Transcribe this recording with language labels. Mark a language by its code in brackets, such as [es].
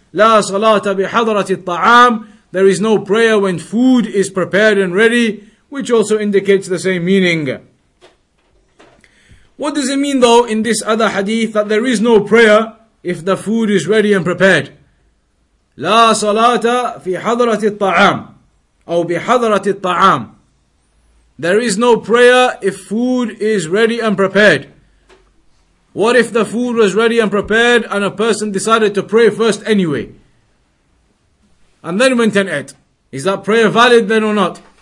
[ar] لَا صَلَاةَ بِحَضْرَةِ الطَّعَامِ. [en] There is no prayer when food is prepared and ready, which also indicates the same meaning. What does it mean though in this other hadith that there is no prayer if the food is ready and prepared? [ar] لا صلاة في حضرة الطعام أو بحضرة الطعام. [en] There is no prayer if food is ready and prepared. What if the food was ready and prepared and a person decided to pray first anyway and then went and ate? Is that prayer valid then or not?